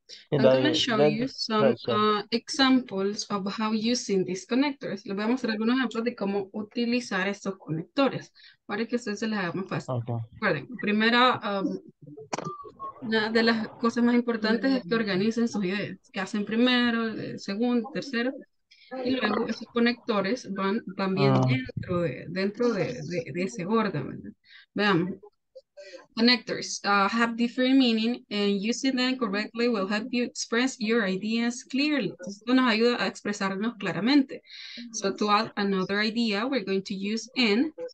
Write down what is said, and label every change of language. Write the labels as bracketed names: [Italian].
[English] I'm going to show you some examples of how using these connectors. [Spanish] Les voy a mostrar algunos ejemplos de cómo utilizar estos conectores para que ustedes se les haga más fácil. Recuerden, primero, una de las cosas más importantes es que organicen sus ideas. ¿Qué hacen primero, segundo, tercero? Y luego esos conectores van también dentro de ese orden, ¿verdad? Veamos. [English] Connectors have different meaning and using them correctly will help you express your ideas clearly. [Spanish] Esto nos ayuda a expresarnos claramente. [English] So to add another idea, we're going to use and.